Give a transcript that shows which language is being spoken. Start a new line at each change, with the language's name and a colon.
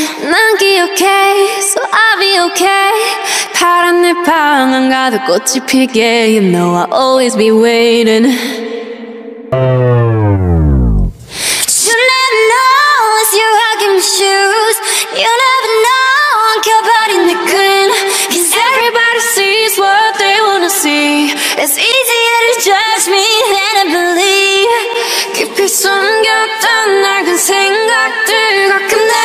Korean: 난 기억해,
English: so I'll be okay.
Korean: 파란 내 방 안 가득 꽃이 피게.
English: You know I'll always be waiting. You'll never know unless you walk in my shoes. You'll never know, I don't care about it again. Cause everybody sees what they wanna see. It's easier to judge me than to believe.
Korean: 깊이 숨겼던 낡은 생각들 가끔